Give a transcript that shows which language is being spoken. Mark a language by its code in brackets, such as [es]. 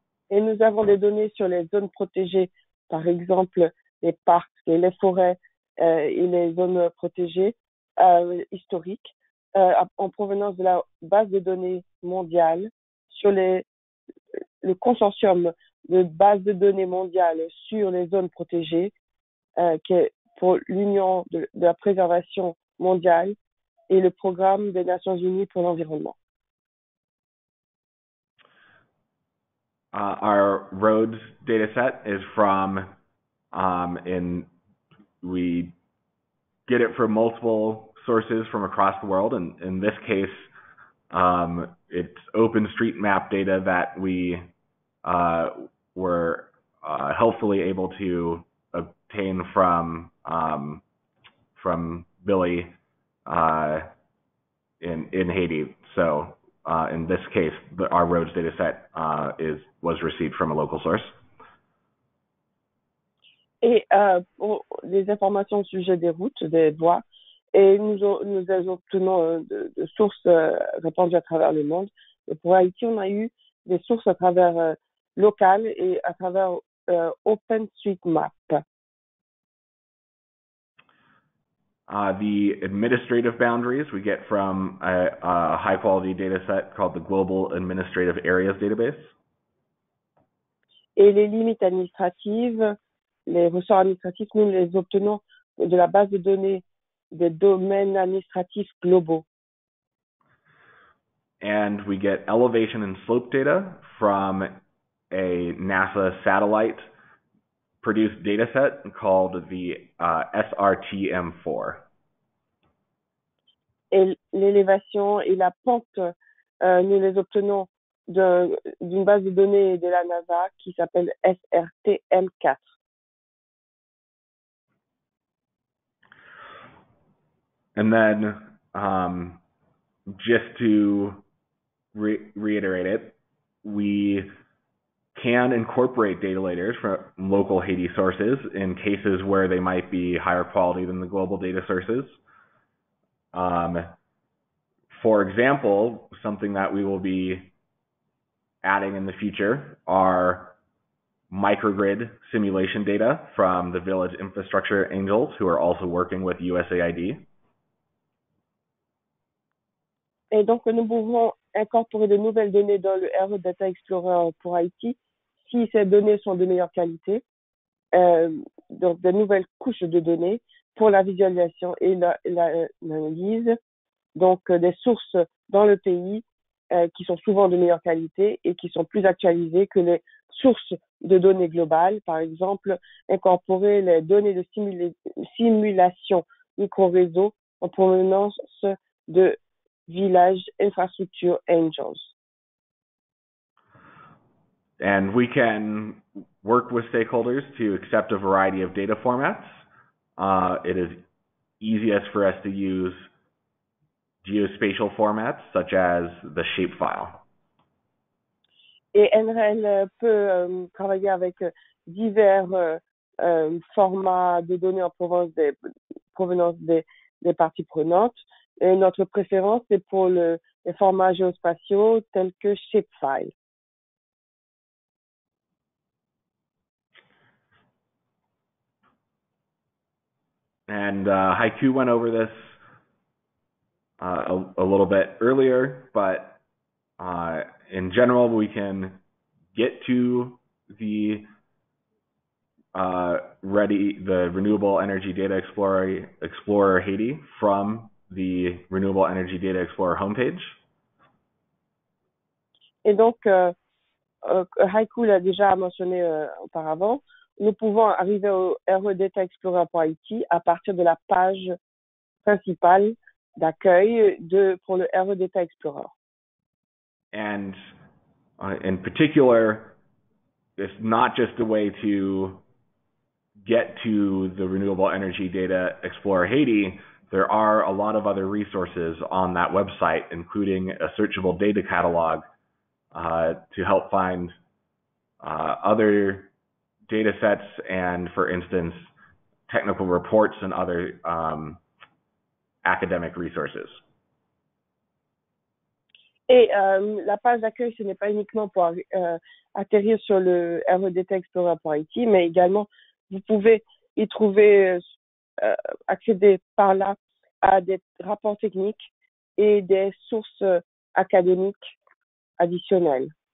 [fr] Et nous avons des données sur les zones protégées, par exemple les parcs et les forêts et les zones protégées historiques en provenance de la base de données mondiale sur le consortium de base de données mondiale sur les zones protégées qui est pour l'Union de la préservation mondiale et le programme des Nations Unies pour l'environnement. [en] Our roads data set is from and we get it from multiple sources from across the world, and in this case it's open street map data that we were helpfully able to obtain from Billy in Haiti. So in this case, our roads data set was received from a local source. [fr] Et pour les informations au sujet des routes, des voies, et nous les obtenons de sources répandues à travers le monde. Et pour Haïti, on a eu des sources à travers local et à travers OpenStreetMap. [en] The administrative boundaries we get from a high quality data set called the Global Administrative Areas Database. [fr] Et les limites administratives, les ressorts administratifs, nous les obtenons de la base de données des domaines administratifs globaux. [en] And we get elevation and slope data from a NASA satellite produced data set called the SRTM4. [fr] Et l'élévation et la pente, nous les obtenons d'une base de données de la NASA qui s'appelle SRTM4. [en] And then, just to reiterate it, we can incorporate data layers from local Haiti sources in cases where they might be higher quality than the global data sources. For example, something that we will be adding in the future are microgrid simulation data from the Village Infrastructure Angels, who are also working with USAID. [fr] Et donc, nous pouvons incorporer de nouvelles données dans le RE Data Explorer pour Haïti si ces données sont de meilleure qualité, donc de nouvelles couches de données pour la visualisation et l'analyse, donc des sources dans le pays qui sont souvent de meilleure qualité et qui sont plus actualisées que les sources de données globales, par exemple, incorporer les données de simulation micro-réseau en provenance de Village Infrastructure Angels. [en] And we can work with stakeholders to accept a variety of data formats. It is easiest for us to use geospatial formats such as the shapefile. [fr] Et NREL peut travailler avec divers formats de données en provenance des parties prenantes. Et notre préférence est pour les formats géospatiaux tels que shapefile. [en] And Haiku went over this a little bit earlier, but in general, we can get to the the Renewable Energy Data Explorer Haiti from the Renewable Energy Data Explorer homepage. [fr] Et donc, Raikou l'a déjà mentionné auparavant, nous pouvons arriver au redataexplorer.it à partir de la page principale d'accueil pour le RData Explorer. [en] And in particular, it's not just a way to get to the Renewable Energy Data Explorer Haiti. There are a lot of other resources on that website, including a searchable data catalog to help find other data sets and, for instance, technical reports and other academic resources. [fr] Et la page d'accueil, ce n'est pas uniquement pour atterrir sur le redataexplorer.it, mais également, vous pouvez y trouver, accéder par là à des rapports techniques et des sources académiques additionnelles.